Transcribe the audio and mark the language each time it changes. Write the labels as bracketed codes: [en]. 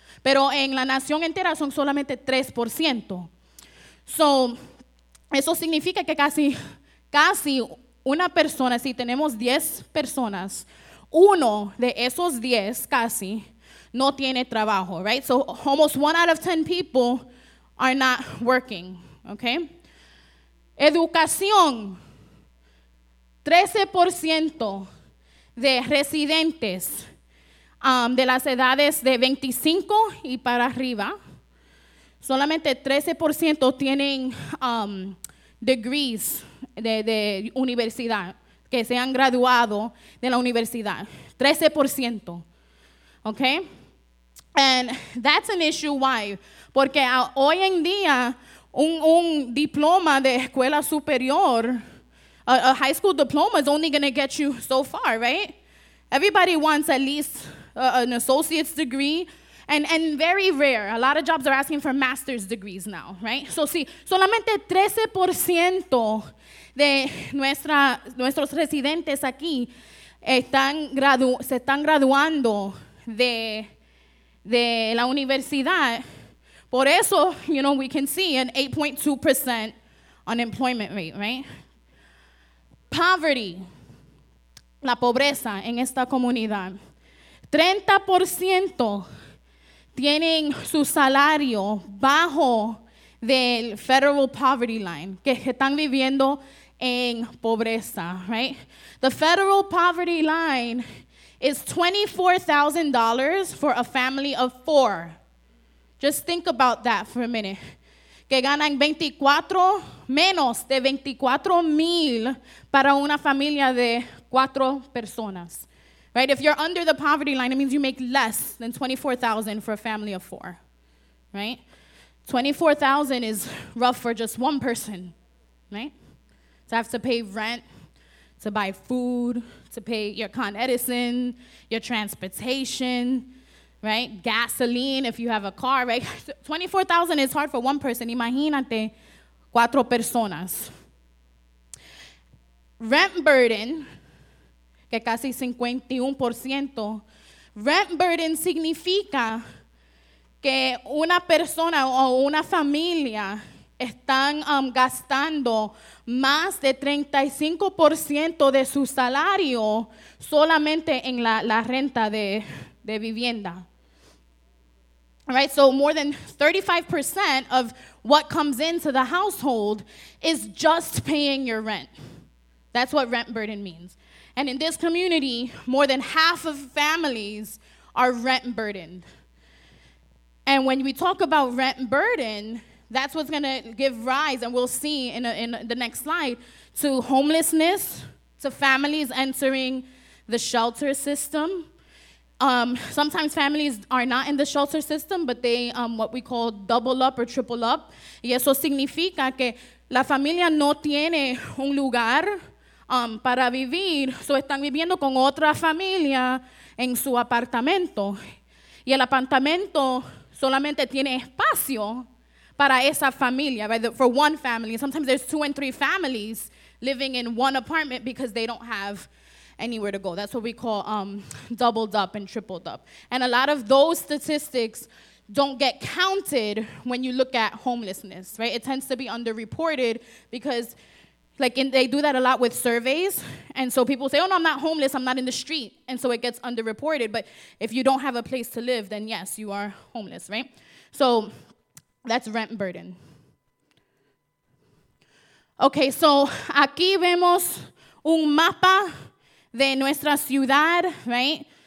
[es] Pero en la nación entera son solamente 3%. So, eso significa que casi una persona, si tenemos 10 personas, uno de esos 10 casi no tiene trabajo, right? [en] So, almost one out of 10 people are not working, okay? [es] Educación, 13% de residentes. De las edades de 25 y para arriba, solamente 13% tienen degrees de universidad, que se han graduado de la universidad. [en] 13%. Okay? And that's an issue. Why? [es] Porque hoy en día, un diploma de escuela superior, [en] a high school diploma, is only going to get you so far, right? Everybody wants at least an associate's degree, and very rare. A lot of jobs are asking for master's degrees now, right? [es] So, sí, solamente 13% de nuestros residentes aquí se están graduando de la universidad. Por eso, [en] you know, we can see an 8.2% unemployment rate, right? [es] Poverty, la pobreza en esta comunidad. 30% tienen su salario bajo del federal poverty line, que están viviendo en pobreza, right? [en] The federal poverty line is $24,000 for a family of four. Just think about that for a minute. [es] Que ganan menos de 24 mil para una familia de cuatro personas. [en] Right, if you're under the poverty line, it means you make less than $24,000 for a family of four, right? $24,000 is rough for just one person, right? To have to pay rent, to buy food, to pay your Con Edison, your transportation, right? Gasoline, if you have a car, right? $24,000 is hard for one person. [es] Imagínate, cuatro personas. Rent burden que casi 51%. Rent burden significa que una persona o una familia están gastando más de 35% de su salario solamente en la renta de vivienda. [en] Right, so more than 35% of what comes into the household is just paying your rent. That's what rent burden means. And in this community, more than half of families are rent burdened. And when we talk about rent burden, that's what's going to give rise, and we'll see in the next slide, to homelessness, to families entering the shelter system. Sometimes families are not in the shelter system, but they, what we call double up or triple up. [es] Y eso significa que la familia no tiene un lugar para vivir, so están viviendo con otra familia en su apartamento. Y el apartamento solamente tiene espacio para esa familia, [en] for one family. Sometimes there's two and three families living in one apartment because they don't have anywhere to go. That's what we call doubled up and tripled up. And a lot of those statistics don't get counted when you look at homelessness, right? It tends to be underreported because they do that a lot with surveys. And so people say, oh, no, I'm not homeless. I'm not in the street. And so it gets underreported. But if you don't have a place to live, then yes, you are homeless, right? So that's rent burden. [es] Okay, so aquí vemos un mapa de nuestra ciudad, right?